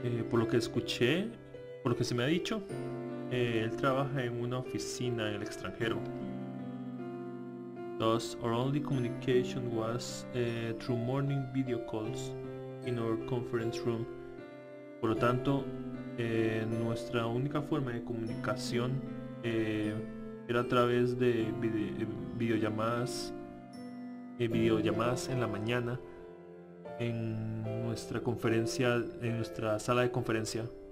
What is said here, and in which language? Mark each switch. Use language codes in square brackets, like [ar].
[es] Por lo que escuché, por lo que se me ha dicho, él trabaja en una oficina en el extranjero. [en] Thus, our only communication was through morning video calls in our conference room. [es] Por lo tanto, nuestra única forma de comunicación era a través de videollamadas en la mañana en nuestra conferencia, en nuestra sala de conferencia.